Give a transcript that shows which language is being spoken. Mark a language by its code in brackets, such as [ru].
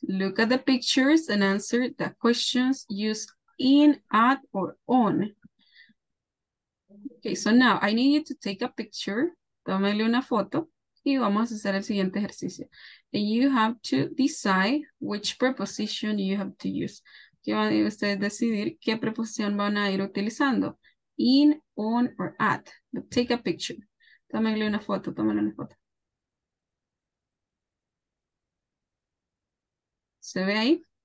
[en] Look at the pictures and answer the questions used in, at, or on. Okay, so now I need you to take a picture. [es] Tómale una foto y vamos a hacer el siguiente ejercicio. [en] And you have to decide which preposition you have to use. [es] Que van a ustedes decidir qué preposición van a ir utilizando. [en] In, on, or at. But take a picture. [es] Tómenle una foto, tómenle una foto. ¿Se ve ahí?